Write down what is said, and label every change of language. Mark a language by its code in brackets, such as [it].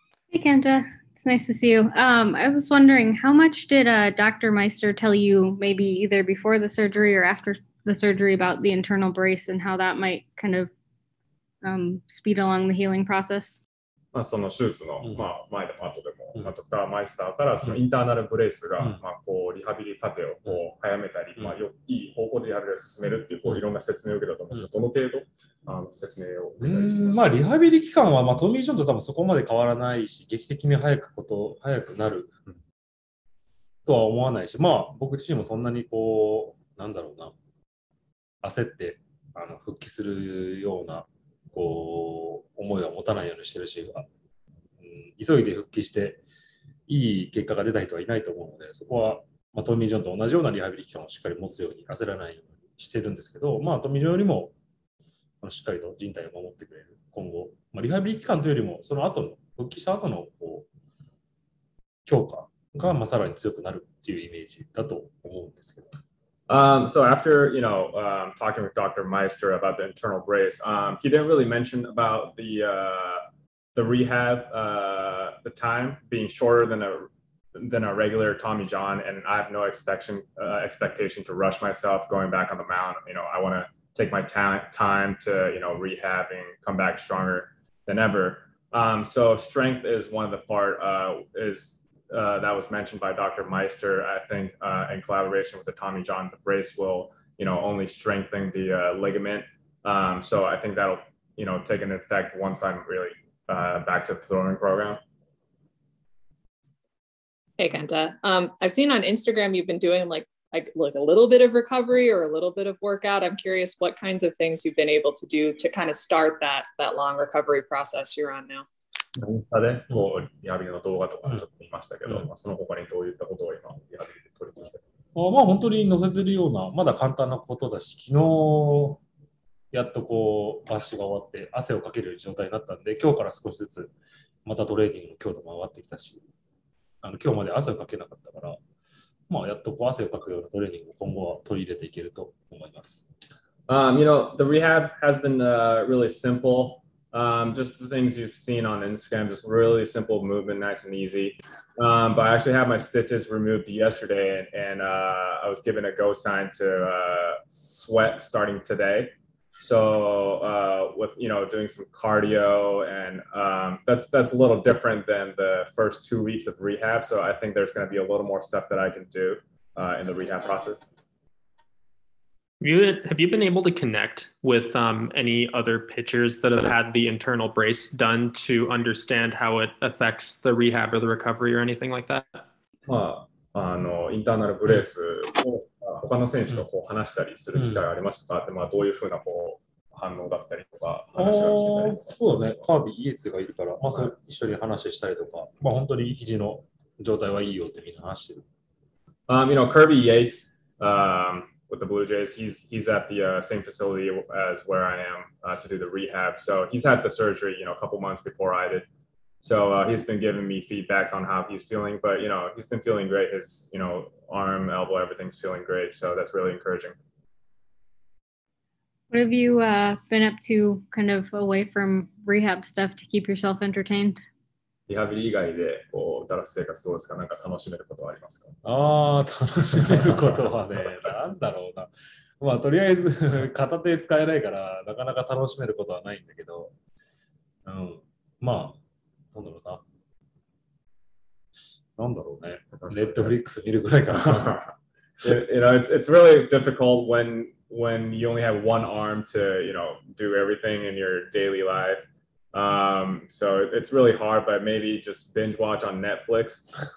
[en] Hey, Kenta. It's nice to see you. I was wondering, how much did Dr. Meister tell you maybe either before the surgery or after the surgery about the internal brace and how that might kind of speed along the healing process? [ja] まあその手術の、まあ、前でも後でも、まあ、ドクターマイスターからそのインターナルブレースが、まあ、こうリハビリ過程をこう早めたり、まあ、よいい方向でリハビリを進めるっていう、こういろんな説明を受けたと思うんですけど、どの程度あの説明を受けたりしてますか？まあ、リハビリ期間は、まあ、トミー・ジョンと多分そこまで変わらないし、劇的に早くなるとは思わないし、まあ、僕自身もそんなにこう、なんだろうな、焦ってあの復帰するようなこう思いは持たないようにしてるし、急いで復帰していい結果が出た人はいないと思うので、そこは、まあ、トミー・ジョンと同じようなリハビリ期間をしっかり持つように焦らないようにしてるんですけど、まあ、トミー・ジョンよりもしっかりと人体を守ってくれる今後、まあ、リハビリ期間というよりもその後の復帰した後のこう強化がまあさらに強くなるっていうイメージだと思うんですけど。 [en] So after, you know, talking with Dr. Meister about the internal brace, he didn't really mention about the rehab, the time being shorter than a regular Tommy John. And I have no expectation to rush myself going back on the mound. You know, I want to take my time to, you know, rehab and come back stronger than ever. So strength is one of the part that was mentioned by Dr. Meister, I think, in collaboration with the Tommy John, the brace will, you know, only strengthen the ligament. So I think that'll, you know, take an effect once I'm really back to the throwing program. Hey, Kenta. I've seen on Instagram you've been doing like a little bit of recovery or a little bit of workout. I'm curious what kinds of things you've been able to do to kind of start that long recovery process you're on now. [ja] インスタでこうリハビリの動画とかちょっと見ましたけど、うんまあ、その他にどういったことを今リハビリで取り組んでるか。まあ本当に載せてるようなまだ簡単なことだし、昨日やっとこうバッシュが終わって汗をかける状態になったんで、今日から少しずつまたトレーニングの強度も上がってきたし、あの今日まで汗をかけなかったから、まあやっとこう汗をかくようなトレーニングを今後は取り入れていけると思います。 [en] You know, the rehab has been really simple. Just the things you've seen on Instagram, just really simple movement, nice and easy. But I actually had my stitches removed yesterday and I was given a go sign to sweat starting today. So with, you know, doing some cardio and that's a little different than the first 2 weeks of rehab. So I think there's going to be a little more stuff that I can do in the rehab process. Have you been able to connect with any other pitchers that have had the internal brace done to understand how it affects the rehab or the recovery or anything like that? [ja] まあ、あの、インターナルブレースを、まあ、他の選手とこう話したりする機会ありましたか？で、まあ、どういうふうなこう反応だったりとか話をしてたりとか。そうだね。カービィ、イエツがいるから、まあ、それ一緒に話したりとか、まあ、本当に肘の状態はいいよってみんな話してる。 [en] You know, Kirby Yates with the Blue Jays, he's at the same facility as where I am to do the rehab. So he's had the surgery, you know, a couple months before I did. So he's been giving me feedbacks on how he's feeling, but, you know, he's been feeling great. His, you know, arm, elbow, everything's feeling great. So that's really encouraging. What have you been up to kind of away from rehab stuff to keep yourself entertained? [ja] リハビリ以外でこうダラス生活どうですか？なんか楽しめることはありますか？ああ、楽しめることはね、なんだろうな。まあとりあえず片手使えないからなかなか楽しめることはないんだけど、うん、まあなんだろうな。なんだろうね。Netflix 見るぐらいかな。 [en] You know, it's really difficult when you only have one arm to, you know, do everything in your daily life. So it's really hard, but maybe just binge watch on Netflix.